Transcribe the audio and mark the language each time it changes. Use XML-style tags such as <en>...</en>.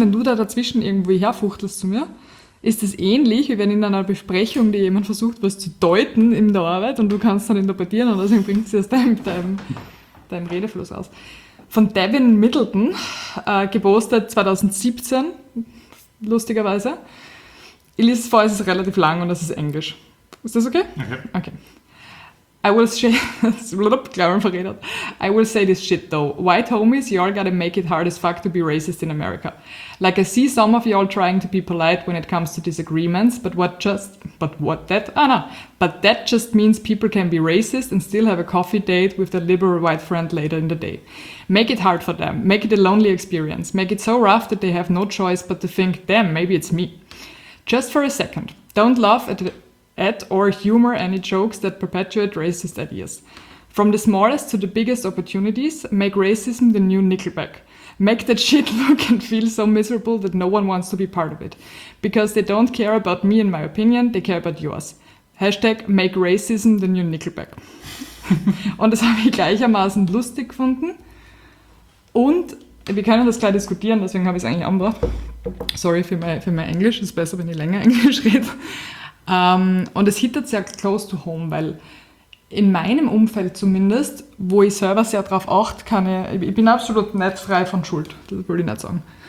<de>Wenn du da dazwischen irgendwo herfuchtelst zu mir, ist es ähnlich, wie wenn in einer Besprechung dir jemand versucht, was zu deuten in der Arbeit und du kannst dann interpretieren und deswegen bringt sie aus deinem Redefluss aus. Von Devin Middleton, gepostet 2017, lustigerweise. Ich lese es vor, es ist relativ lang und es ist Englisch. Ist das okay? Okay. Okay.</de> <en>I will say this shit though. White homies, y'all gotta make it hard as fuck to be racist in America. Like, I see some of y'all trying to be polite when it comes to disagreements, but that just means people can be racist and still have a coffee date with their liberal white friend later in the day. Make it hard for them. Make it a lonely experience. Make it so rough that they have no choice but to think, damn, maybe it's me. Just for a second. Don't laugh at or humor any jokes that perpetuate racist ideas. From the smallest to the biggest opportunities, make racism the new Nickelback. Make that shit look and feel so miserable that no one wants to be part of it. Because they don't care about me and my opinion, they care about yours. Hashtag make racism the new Nickelback.</en> <de>Und das habe ich gleichermaßen lustig gefunden. Und wir können das gleich diskutieren, deswegen habe ich es eigentlich angebracht. Sorry für mein Englisch, ist besser, wenn ich länger Englisch rede. Und es hittet sehr close to home, weil in meinem Umfeld zumindest, wo ich selber sehr darauf achte, ich bin absolut nicht frei von Schuld, das würde ich nicht sagen.</de>